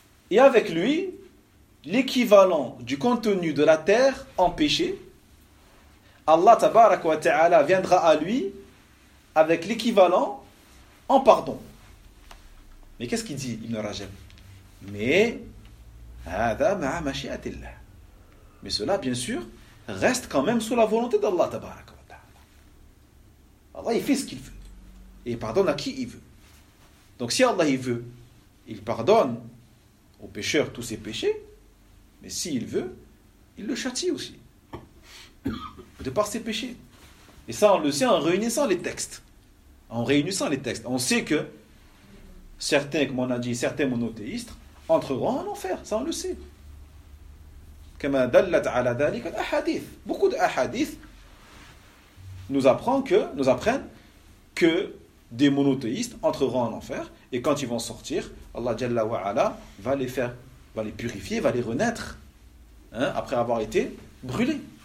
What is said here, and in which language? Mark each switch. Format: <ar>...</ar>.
<fr>Et avec lui, l'équivalent du contenu de la terre en péché, Allah tabarak wa ta'ala viendra à lui avec l'équivalent en pardon. Mais qu'est-ce qu'il dit, Ibn Rajab? Mais,</fr> <ar>هذا مع مشيئة الله.</ar> <fr>Mais cela, bien sûr, reste quand même sous la volonté d'Allah tabarak wa ta'ala. Allah, il fait ce qu'il veut. Et il pardonne à qui il veut. Donc si Allah, il veut, il pardonne aux pécheurs tous ses péchés, mais s'il veut, il le châtie aussi. De par ses péchés. Et ça, on le sait en réunissant les textes. En réunissant les textes. On sait que certains, comme on a dit, certains monothéistes entreront en enfer. Ça, on le sait.</fr> <ar>كما دلت على ذلك الأحاديث.</ar> <fr>Beaucoup d'ahadith nous apprennent que des monothéistes entreront en enfer et quand ils vont sortir, Allah Jalla wa Ala va les purifier, va les renaître, hein, après avoir été brûlés.</fr>